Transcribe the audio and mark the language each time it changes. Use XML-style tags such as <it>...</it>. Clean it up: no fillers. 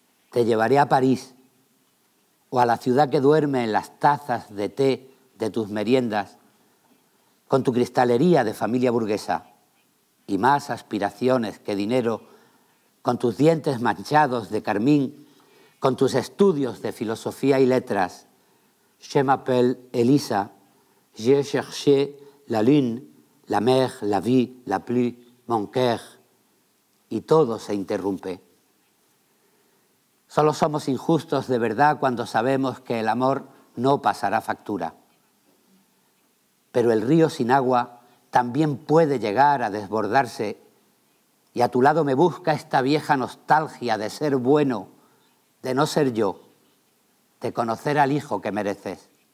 <es>Te llevaré a París o a la ciudad que duerme en las tazas de té de tus meriendas, con tu cristalería de familia burguesa y más aspiraciones que dinero, con tus dientes manchados de carmín, con tus estudios de filosofía y letras.</es> <fr>Je m'appelle Elisa, je cherché la lune, la mer, la vie, la pluie, mon cœur.</fr> <es>Y todo se interrumpe. Solo somos injustos de verdad cuando sabemos que el amor no pasará factura. Pero el río sin agua también puede llegar a desbordarse y a tu lado me busca esta vieja nostalgia de ser bueno, de no ser yo, de conocer al hijo que mereces.</es>